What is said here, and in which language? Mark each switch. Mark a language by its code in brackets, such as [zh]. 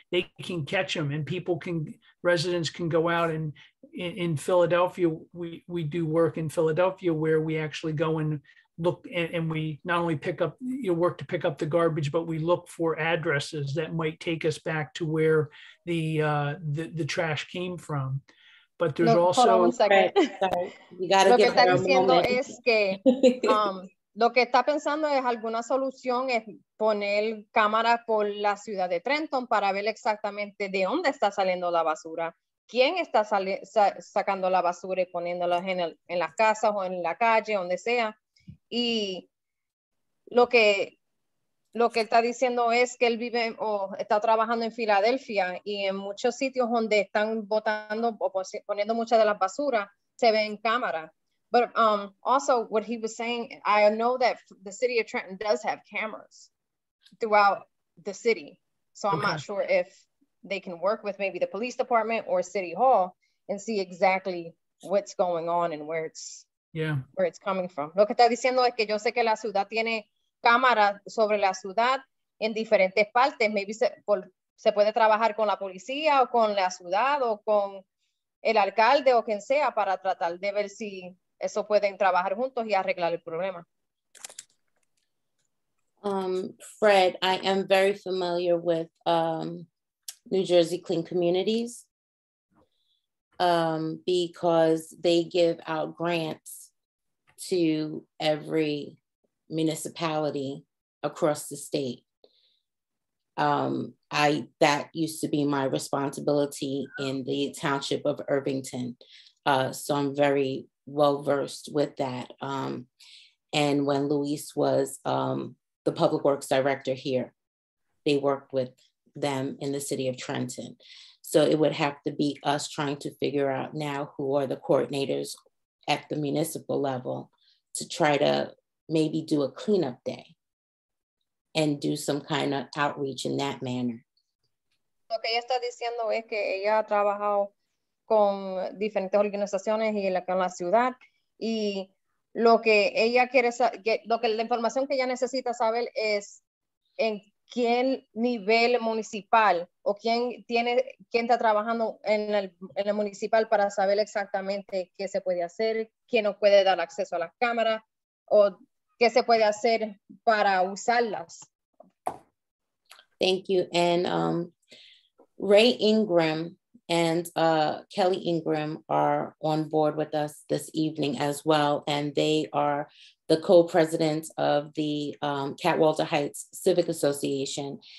[en] They can catch them, and residents can go out, and in Philadelphia, we do work in Philadelphia where we actually go and look, and we not only pick up, you know, work to pick up the garbage, but we look for addresses that might take us back to where the trash came from. But there's also hold on 1 second. You gotta [es] lo que está diciendo es que lo que está pensando es alguna solución es poner cámara por la ciudad de Trenton para ver exactamente de dónde está saliendo la basura, quién está sacando la basura y poniéndola en las casas o en la calle, donde sea. Y lo que él está diciendo es que él vive o está trabajando en Filadelfia y en muchos sitios donde están botando o poniendo muchas de las basuras se ve en cámara. [en] But also what he was saying, I know that the city of Trenton does have cameras throughout the city. So I'm not sure if they can work with maybe the police department or city hall and see exactly what's going on and where it's where it's coming from. [es] Lo que está diciendo es que yo sé que la ciudad tiene cámaras sobre la ciudad en diferentes partes. Maybe se puede trabajar con la policía o con la ciudad o con el alcalde o quien sea para tratar de ver si eso pueden trabajar juntos y arreglar el problema. [en] Fred, I am very familiar with New Jersey Clean Communities because they give out grants to every municipality across the state. That used to be my responsibility in the township of Irvington. So I'm very well-versed with that. And when Luis was the public works director here, they worked with them in the city of Trenton. So it would have to be us trying to figure out now who are the coordinators at the municipal level to try to maybe do a cleanup day and do some kind of outreach in that manner. [es] Lo que ella está diciendo es que ella ha trabajado con diferentes organizaciones y con la ciudad. Y lo que ella quiere saber, lo que la información que ella necesita saber es en qué nivel municipal o quién está trabajando en el municipal para saber exactamente qué se puede hacer, quién no puede dar acceso a las cámaras o qué se puede hacer para usarlas. [en] Thank you. And Ray Ingram and Kelly Ingram are on board with us this evening as well. And they are the co-presidents of the Catwalter Heights Civic Association.